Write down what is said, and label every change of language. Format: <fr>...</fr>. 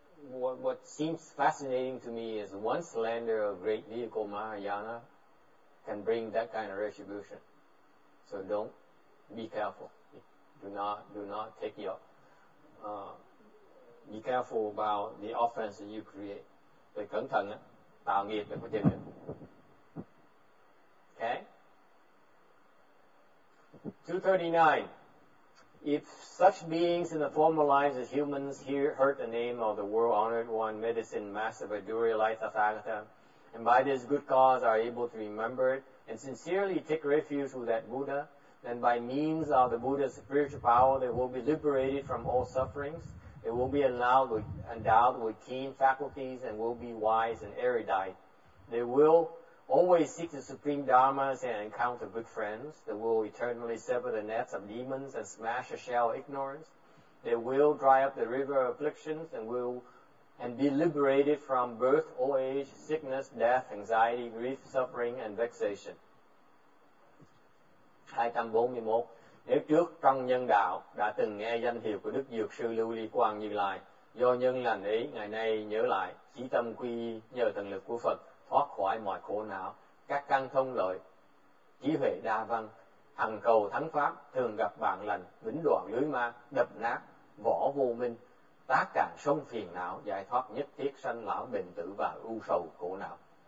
<en>What seems fascinating to me is one slander of great vehicle Mahayana can bring that kind of retribution. So don't be careful. Do not take your be careful about the offense that you create.</en> <vi>Phải cẩn thận á, tạo nghiệp để có tiền.</vi> <en>Okay. 239. If such beings in the former lives as humans hear heard the name of the world honored one, medicine master Vajuri Laita Thagata, and by this good cause are able to remember it and sincerely take refuge with that Buddha, then by means of the Buddha's spiritual power they will be liberated from all sufferings, they will be endowed with keen faculties and will be wise and erudite. They will always seek the supreme dharmas and encounter good friends. They will eternally sever the nets of demons and smash the shell of ignorance. They will dry up the river of afflictions and be liberated from birth, old age, sickness, death, anxiety, grief, suffering, and vexation. 241.</en> <vi>Nếu trước trong nhân đạo đã từng nghe danh hiệu của Đức Dược Sư Lưu Ly Quang Như Lai, do nhân lành ấy ngày nay nhớ lại, chí tâm quy nhờ thần lực của Phật, thoát khỏi mọi khổ não, các căn thông lợi, trí huệ đa văn, hằng cầu thắng pháp, thường gặp bạn lành, vĩnh đoạn lưới ma, đập nát, vỏ vô minh, tác cạn sông phiền não, giải thoát nhất thiết sanh lão bệnh tử và ưu sầu khổ não.</vi>